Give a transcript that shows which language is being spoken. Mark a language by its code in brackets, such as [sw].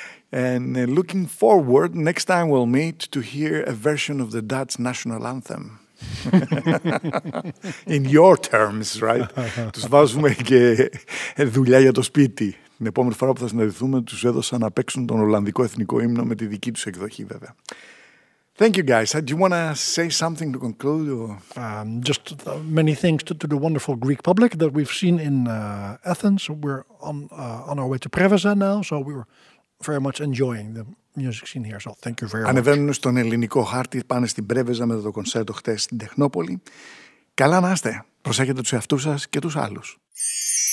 [en] And looking forward, next time we'll meet to hear a version of the Dutch national anthem. In your terms, right? [el] Τους βάζουμε και δουλειά για το σπίτι. Την επόμενη φορά που θα συναντηθούμε, τους έδωσα να παίξουν τον Ολλανδικό εθνικό ύμνο με τη δική τους εκδοχή, βέβαια. [en] Thank you, guys. Do you want to say something to conclude? Or? Just many thanks to the wonderful Greek public that we've seen in Athens. We're on our way to Prevesa now, so we're very much enjoying the music scene here. So thank you very much. [el] Ανεβαίνουν στον ελληνικό χάρτη, πάνε στην Πρέβεζα με το κονσέρτο χτες στην Τεχνόπολη. Καλά να είστε. Προσέχετε τους εαυτούς σας και τους άλλους.